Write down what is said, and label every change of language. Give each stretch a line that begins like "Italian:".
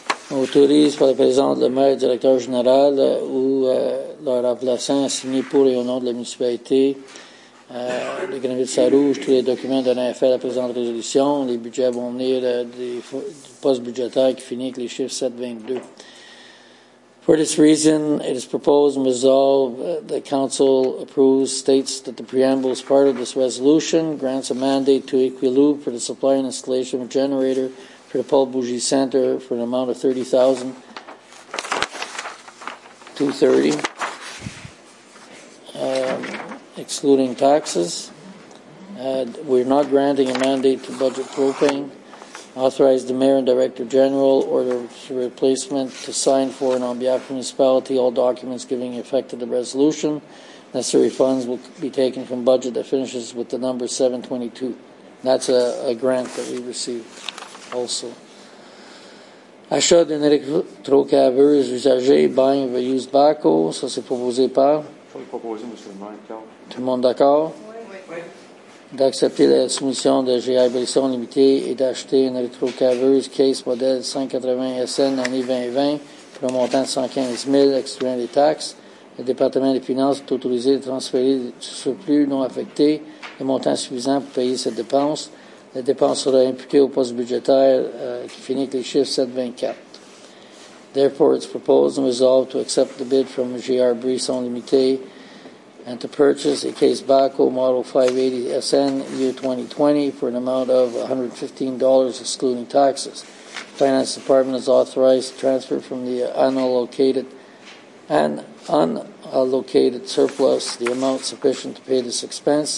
French: Autorise par le président le maire directeur général ou leur remplaçant à signer pour et au nom de la municipalité de Grenville-Sarrouge tous les documents donnant effet à la présente résolution. Les budgets vont venir du poste budgétaire qui finit avec les chiffres 722.
English: For this reason, it is proposed and resolved that council approves states that the preamble is part of this resolution, grants a mandate to Equiloub for the supply and installation of a generator for the Paul Bougie Center for an amount of $30,230, excluding taxes. We're not granting a mandate to Budget Propane. Authorize the mayor and director general or the replacement to sign for and on behalf of the municipality all documents giving effect to the resolution. Necessary funds will be taken from budget that finishes with the number 722. That's a grant that we received also.
French: Achat d'une électrocaveuse usagée,
English: buying of a used backhoe,
French: ça c'est proposé par? Ça c'est proposé, M. le maire, Carl. Tout le monde d'accord? Oui. D'accepter la soumission de GI Bresson Limitée et d'acheter une électrocaveuse case modèle 180SN année 2020 pour un montant de 115 000, excluant les taxes. Le département des finances est autorisé de transférer du surplus non affecté le montant suffisant pour payer cette dépense. La dépense sera imputée au poste budgétaire qui finit avec les chiffres 724.
English: Therefore, it's proposed and resolved to accept the bid from GR Brisson Limité and to purchase a case backhoe model 580SN year 2020 for an amount of $115 excluding taxes. The Finance Department has authorized transfer from the unallocated surplus, the amount sufficient to pay this expense.